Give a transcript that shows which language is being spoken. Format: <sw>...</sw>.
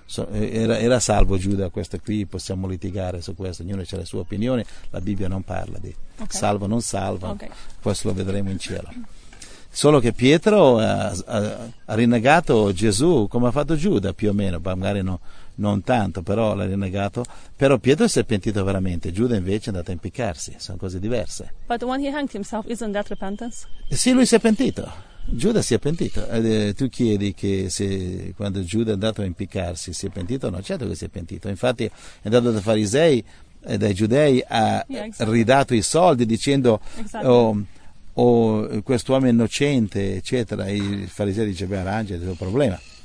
<it>Era salvo Giuda, questo qui possiamo litigare su questo, ognuno ha le sue opinioni, la Bibbia non parla di salvo, non salvo. Okay. Questo lo vedremo in cielo. Solo che Pietro ha rinnegato Gesù come ha fatto Giuda, più o meno, magari no, non tanto, però l'ha rinnegato. Però Pietro si è pentito veramente, Giuda invece è andato a impiccarsi, sono cose diverse.</it> <en>But when he hanged himself, isn't that repentance?</en> <it>Sì, lui si è pentito, Giuda si è pentito. Tu chiedi che se quando Giuda è andato a impiccarsi si è pentito? No, certo che si è pentito. Infatti è andato dai farisei e dai giudei, ha ridato i soldi dicendo...</it> <en>Exactly.</en> <it>O quest'uomo è innocente, eccetera, il farisea dice: beh, arrangia, è il tuo problema.</it>